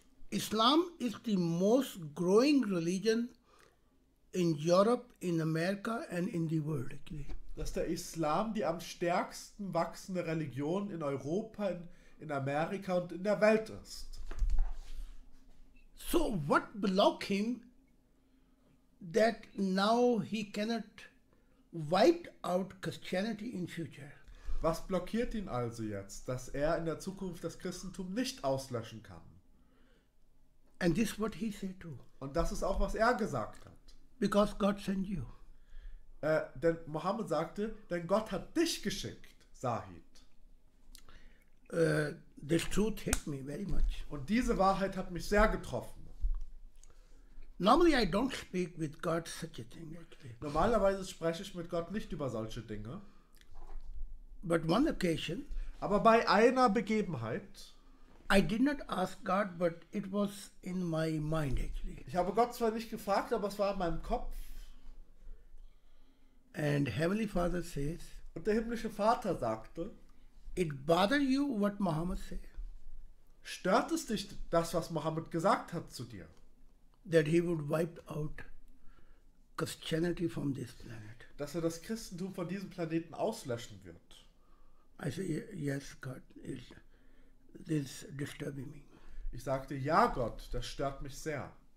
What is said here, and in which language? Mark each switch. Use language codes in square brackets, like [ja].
[en] Islam is the most growing religion in Europe, in America and in the world. Actually. [de] Dass der Islam die am stärksten wachsende Religion in Europa, in Amerika und in der Welt ist. [en] So what block him that now he cannot wipe out Christianity in future? [de] Was blockiert ihn also jetzt, dass er in der Zukunft das Christentum nicht auslöschen kann? [en] And this what he said too. [de] Und das ist auch, was er gesagt hat. [en] Because God sent you. [de] Denn Mohammed sagte, denn Gott hat dich geschickt, Sahid. [en] This truth hit me very much. [de] Und diese Wahrheit hat mich sehr getroffen. [en] Normally I don't speak with God such a thing. [de] Normalerweise spreche ich mit Gott nicht über solche Dinge. [en] But one occasion, [de] aber bei einer Begebenheit, [en] I did not ask God, but it was in my mind actually. [de] Ich habe Gott zwar nicht gefragt, aber es war in meinem Kopf. [en] And Heavenly Father says, [de] und der himmlische Vater sagte, [en] it bother you what Muhammad say. [de] Stört es dich das, was Muhammad gesagt hat zu dir? [en] That he would wipe out Christianity from this planet. [de] Dass er das Christentum von diesem Planeten auslöschen wird. [en] I say, yes, God, this disturbing me. [de] Ich sagte, ja, Gott, das stört mich sehr.